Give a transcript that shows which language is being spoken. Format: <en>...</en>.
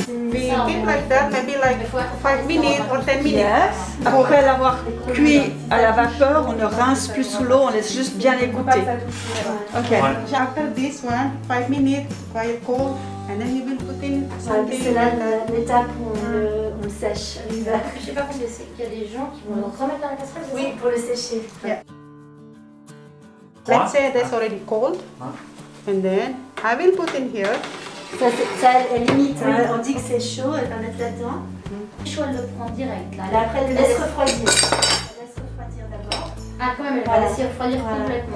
<en>We keep like that, maybe like 5 minutes or 10 minutes. Yes.</en> <fr>Après l'avoir cuit à la vapeur, on ne rince plus sous l'eau, on laisse juste bien égoutter.</fr> <en>Okay. After this one, 5 minutes, quite cold, and then you will put in something.</en> <fr>C'est là l'étape où on le sèche. Je sais pas combien c'est qu'il y a des gens qui vont le remettre dans la casserole. Oui, pour le sécher.</fr> <en>Yeah. Let's say that's already cold, and then I will put in here</en> <fr>Ça limite. Oui, hein. On dit que c'est chaud, elle va mettre là-dedans. Mm-hmm. Chaud, elle le prend direct. Là. Après, elle laisse refroidir. Elle laisse refroidir d'abord. Ah, quand même, elle va laisser refroidir complètement.</fr>